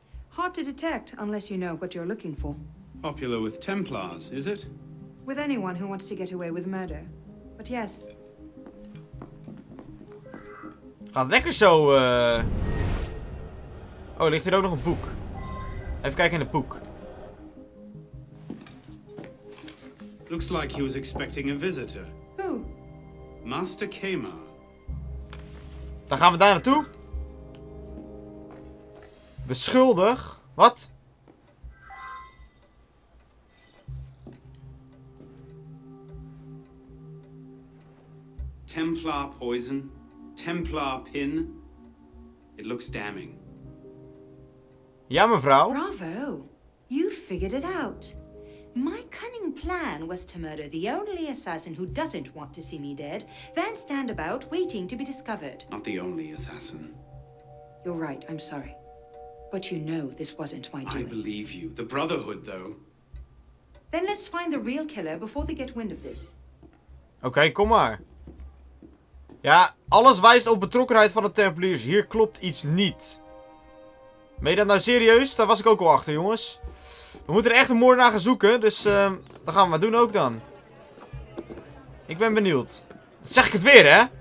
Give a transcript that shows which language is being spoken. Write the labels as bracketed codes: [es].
[en] Hard to detect unless you know what you're looking for. Popular with Templars, is it? With anyone who wants to get away with murder. But yes. [nl] Gaat lekker zo, Oh, ligt hier ook nog een boek. Even kijken in het boek. [en] Looks like he was expecting a visitor. Who? Master Kema. [nl] Dan gaan we daar naartoe. Beschuldig. Wat? [en] Templar poison. Templar pin. It looks damning. [nl] Ja, mevrouw. [en] Bravo. You figured it out. My cunning plan was to murder the only assassin who doesn't want to see me dead, then stand about waiting to be discovered. Not the only assassin. You're right, I'm sorry. But you know this wasn't my doing. I believe you. The Brotherhood, though. Then let's find the real killer before they get wind of this. [nl] Okay, kom maar. Ja, alles wijst op betrokkenheid van de Templiers. Hier klopt iets niet. Ben je dat nou serieus? Daar was ik ook al achter, jongens. We moeten er echt een moordenaar gaan zoeken. Dus dat gaan we maar doen ook dan. Ik ben benieuwd. Dat zeg ik het weer, hè?